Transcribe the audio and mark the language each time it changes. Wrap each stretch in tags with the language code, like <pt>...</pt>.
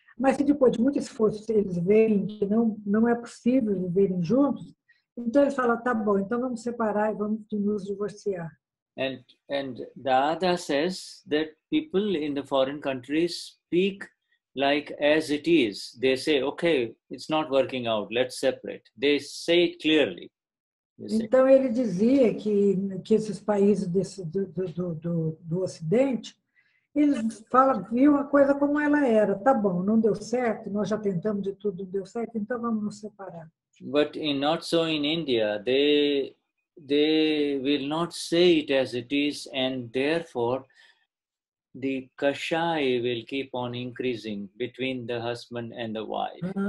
<pt>Mas se depois de muito esforço eles veem que não é possível viverem juntos, então eles falam, tá bom, então vamos separar e vamos nos divorciar.</pt> <en>And Dada says that people in the foreign countries speak like as it is. They say, okay, it's not working out, let's separate. They say it clearly.</en> <pt>Então ele dizia que esses países do Ocidente, eles falam, viu a coisa como ela era. Tá bom, não deu certo, nós já tentamos de tudo, não deu certo, então vamos nos separar.</pt> <en>But in not so in India, they will not say it as it is, and therefore the kashai will keep on increasing between the husband and the wife.</en>